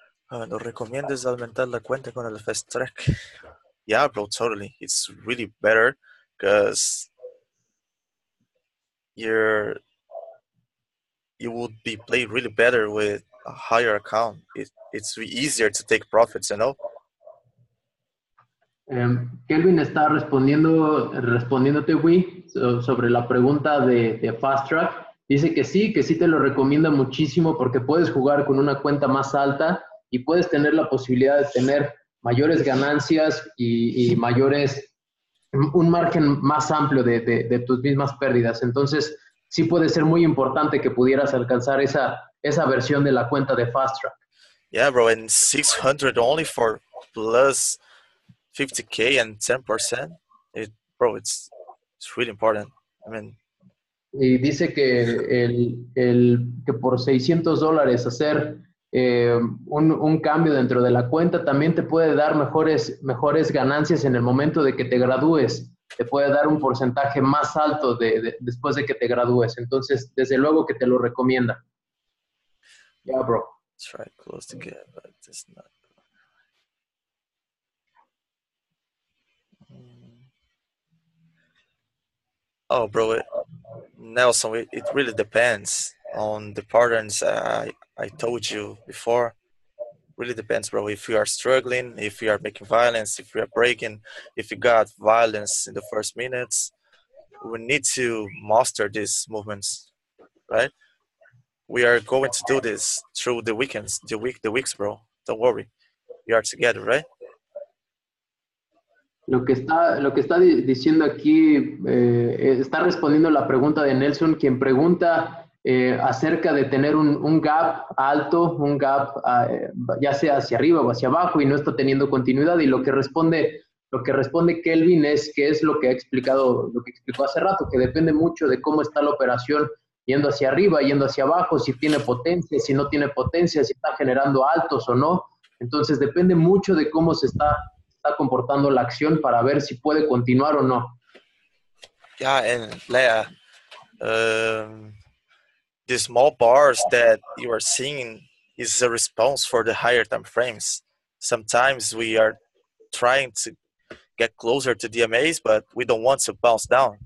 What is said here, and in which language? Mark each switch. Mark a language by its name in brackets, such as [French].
[Spanish] ¿No recomiendas aumentar la cuenta con el fast track? [English] Yeah, bro, totally. It's really better because you would be played really better with a higher account. It's easier to take profits, you know? [Spanish] Kelvin está respondiéndote, Wee, sobre la pregunta de Fast Track. Dice que sí te lo recomienda muchísimo porque puedes jugar con una cuenta más alta y puedes tener la posibilidad de tener mayores ganancias y mayores, un margen más amplio de tus mismas pérdidas. Entonces, sí puede ser muy importante que pudieras alcanzar esa versión de la cuenta de Fast Track. [English] Yeah, bro, and 600 only for plus 50K and 10%. It's really important. I mean, [Spanish] y dice que el que por $600 hacer un cambio dentro de la cuenta también te puede dar mejores ganancias en el momento de que te gradúes. Te puede dar un porcentaje más alto después de que te gradúes. Entonces, desde luego que te lo recomienda. Ya, bro. [English] Try close the gap, but it's not. Oh, bro, Nelson, it really depends on the patterns I told you before. Really depends, bro. If you are struggling, if you are making violence, if you are breaking, if you got violence in the first minutes, we need to master these movements, right? We are going to do this through the weekends, the weeks, bro. Don't worry. We are together, right? [Spanish] Lo que está diciendo aquí, está respondiendo la pregunta de Nelson, quien pregunta acerca de tener un gap alto, un gap ya sea hacia arriba o hacia abajo y no está teniendo continuidad. Y lo que responde Kelvin es que es lo que ha explicado, lo que explicó hace rato, que depende mucho de cómo está la operación yendo hacia arriba, yendo hacia abajo, si tiene potencia, si no tiene potencia, si está generando altos o no. Entonces depende mucho de cómo se está comportando la acción para ver si puede continuar o no. [English] Ya, and Lea, the small bars that you are seeing is a response for the higher time frames. Sometimes we are trying to get closer to DMAs, but we don't want to bounce down.